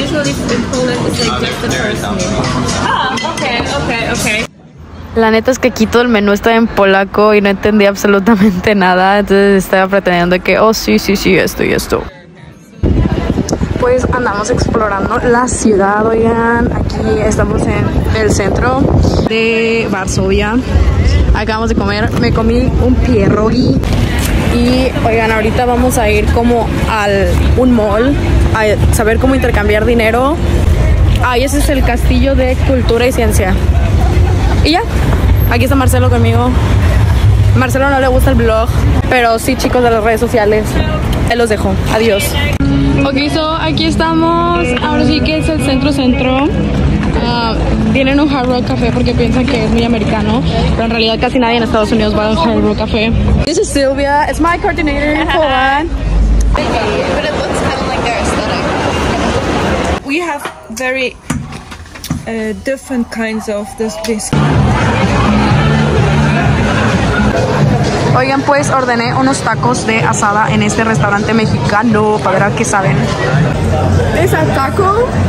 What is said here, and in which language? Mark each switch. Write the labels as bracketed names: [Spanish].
[English] Usually in Poland it's like just the first meal. Ah, okay. [Spanish] La neta es que aquí todo el menú está en polaco y no entendí absolutamente nada. Entonces estaba pretendiendo que, oh, sí, esto y esto. Pues andamos explorando la ciudad, oigan. Aquí estamos en el centro de Varsovia. Acabamos de comer, me comí un pierogi. Y, oigan, ahorita vamos a ir como al un mall a saber cómo intercambiar dinero. Ah, y ese es el castillo de cultura y ciencia. Y ya, aquí está Marcelo conmigo. Marcelo no le gusta el vlog, pero sí, chicos, de las redes sociales. Él los dejó, adiós. Ok, so aquí estamos. Ahora sí que es el centro. Tienen un Hard Rock Café porque piensan que es muy americano, pero en realidad casi nadie en Estados Unidos va a un Hard Rock Café. [English] This is Sylvia, it's my coordinator in Poland. But it looks kind of like their aesthetic. We have very different kinds of this disc. [Spanish] Oigan, pues ordené unos tacos de asada en este restaurante mexicano para ver a qué saben. ¿Es a taco?